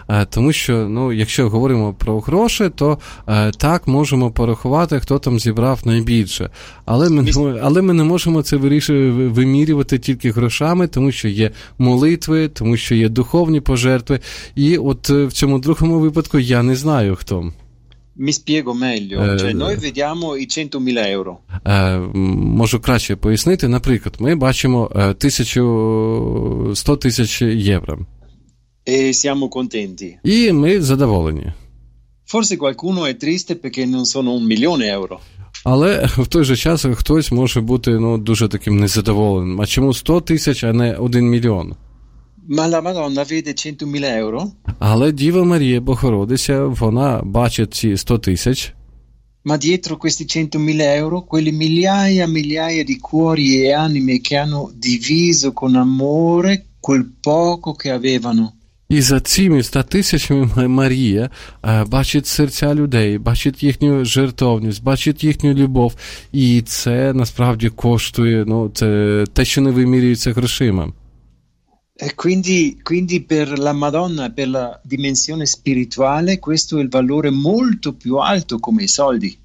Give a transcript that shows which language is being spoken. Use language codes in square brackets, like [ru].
[uk] Тому що, ну, якщо говоримо про гроші, то так можемо порахувати, хто там зібрав найбільше. Але ми не можемо це вимірювати тільки грошами, тому що є молитви, тому що є духовні пожертви. І от в цьому другому випадку я не знаю, хто. [it] Mi spiego meglio, cioè noi vediamo i 100.000 euro. [uk] Можу краще пояснити, наприклад, ми бачимо 100 000 євро. [it] E siamo contenti. [uk] І ми задоволені. [it] Forse qualcuno è triste perché non sono 1 000 000 euro. [uk] Але в той же час хтось може бути, ну, дуже таким незадоволеним. А чому 100 тисяч, а не 1 000 000? [it] Ma la Madonna vede 100.000 euro? [uk] Але Діва Марія Богородиця, вона бачить ці 100 тисяч. [it] Ma dietro questi 100.000 euro, quelle migliaia e migliaia di cuori e anime che hanno diviso con amore quel poco che avevano. [uk] І за цими 100 тисячами Марія бачить серця людей, бачить їхню жертовність, бачить їхню любов. І це насправді коштує, ну, це те, що не вимірюється грошима. [it] E quindi per la Madonna, per la dimensione spirituale, questo è il valore molto più alto come i soldi.